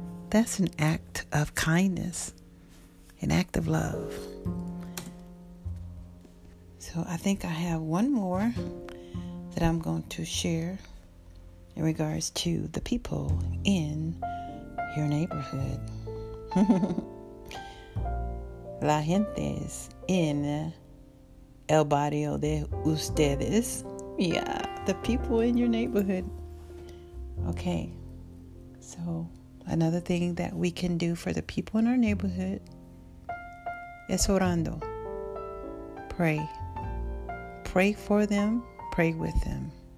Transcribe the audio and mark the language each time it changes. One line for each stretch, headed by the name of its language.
English: That's an act of kindness, an act of love. So I think I have one more that I'm going to share in regards to the people in your neighborhood.
Spanish: La gente es en el barrio de ustedes.
English: Yeah, the people in your neighborhood. Okay, so another thing that we can do for the people in our neighborhood is
Spanish: orando.
English: Pray. Pray for them. Pray with them.